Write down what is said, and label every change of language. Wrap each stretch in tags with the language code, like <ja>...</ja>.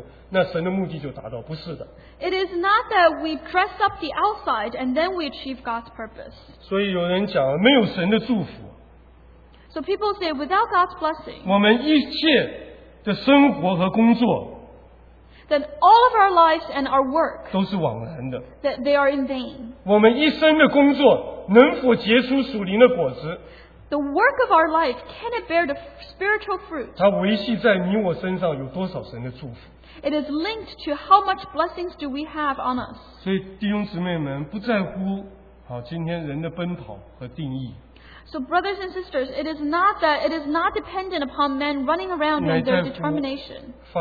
<zh>我们不是把外面弄得规规矩矩了，但是没有神的同在和祝福，那神的目的就达到，不是的。</zh> <en>It is not that we dress up the outside and then we achieve God's purpose.</en> <zh>所以有人讲没有神的祝福。</zh> <en>So people say, without God's blessing,</en> <zh>我们一切的生活和工作,</zh> <en>then all of our lives and our work,</en> <zh>都是枉然的,</zh> <en>that they are in vain.</en> <zh>我们一生的工作, 能否结出属灵的果子,</zh> <en>the work of our life, can it bear the spiritual fruit?</en> <zh>它维系在你我身上有多少神的祝福?</zh> <en>It is linked to how much blessings do we have on us.</en> <zh>所以弟兄姊妹们, 不在乎, 好, 今天人的奔跑和定义,</zh> <en>so brothers and sisters, it is not that it is not dependent upon men running around in their determination.</en>